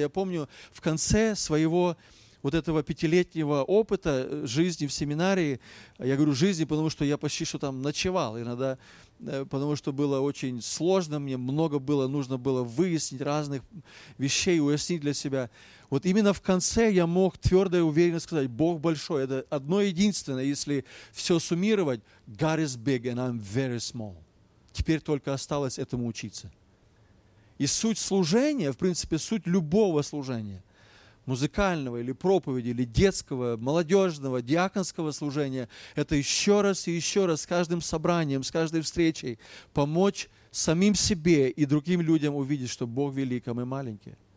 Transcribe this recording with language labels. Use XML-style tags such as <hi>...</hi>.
<ru>Я помню, в конце своего вот этого 5-летнего опыта жизни в семинарии, я говорю жизни, потому что я почти что там ночевал иногда, потому что было очень сложно, мне много было, нужно было выяснить разных вещей, уяснить для себя. Вот именно в конце я мог твердо и уверенно сказать: Бог большой. Это одно единственное, если все суммировать,</ru> <en>God is big and I'm very small.</en> <ru>Теперь только осталось этому учиться. И суть служения, в принципе, суть любого служения, музыкального или проповеди, или детского, молодежного, диаконского служения, это еще раз и еще раз с каждым собранием, с каждой встречей помочь самим себе и другим людям увидеть, что Бог велик, а мы маленькие.</ru>